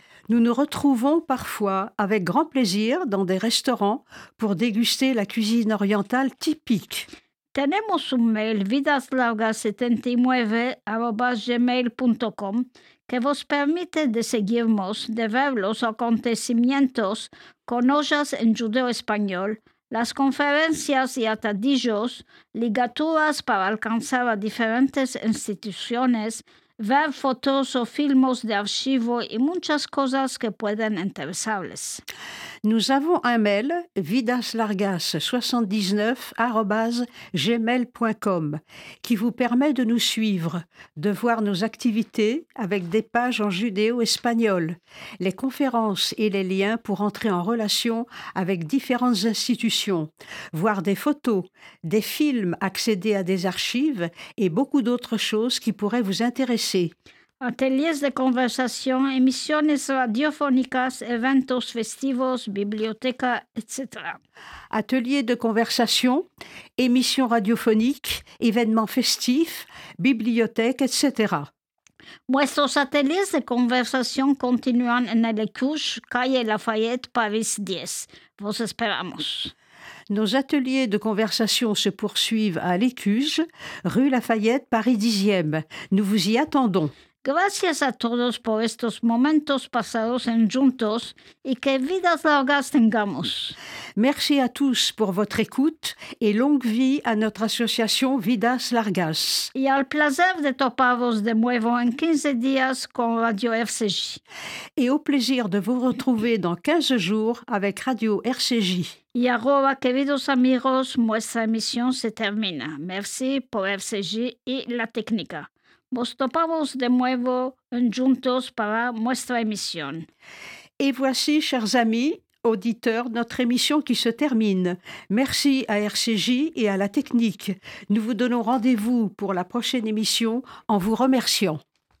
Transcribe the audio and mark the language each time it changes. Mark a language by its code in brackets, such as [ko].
[fr] Nous nous retrouvons parfois avec grand plaisir dans des restaurants pour déguster la cuisine orientale typique. [lad] Tenemos un mail vidaslargas79@gmail.com que vos permite de seguirnos, de ver los acontecimientos con ollas en judeo-español, las conferencias y atadillos, ligaturas para alcanzar a diferentes instituciones, ver fotos o filmes de archivo y muchas cosas que pueden interesarles. [fr] Nous avons un mail vidaslargas79@gmail.com qui vous permet de nous suivre, de voir nos activités avec des pages en judéo-espagnol, les conférences et les liens pour entrer en relation avec différentes institutions, voir des photos, des films, accéder à des archives et beaucoup d'autres choses qui pourraient vous intéresser. [lad] Ateliers de conversación, emisiones radiofónicas, eventos festivos, biblioteca, etc. Ateliers de conversación, emisiones radiofónicas, eventos festivos, biblioteca, etc. Vuestros ateliers de conversación continúan en el Ecuche, calle Lafayette, Paris 10. Vos esperamos. [fr] Nos ateliers de conversation se poursuivent à l'Écuge, rue Lafayette, Paris 10e. Nous vous y attendons. [lad] Gracias a todos por estos momentos pasados en juntos y que vidas largas tengamos. [fr] Merci à tous pour votre écoute et longue vie à notre association Vidas Largas. [lad] Y al placer de toparos de nuevo en 15 días con Radio RCJ. [fr] Et au plaisir de vous retrouver dans 15 jours avec Radio RCJ. [lad] Y ahora, queridos amigos, nuestra emisión se termina. Merci por RCJ y la técnica. Nos topamos de nuevo juntos para nuestra emisión. [fr] Et voici, chers amis, auditeurs, notre émission qui se termine. Merci à RCJ et à la technique. Nous vous donnons rendez-vous pour la prochaine émission en vous remerciant.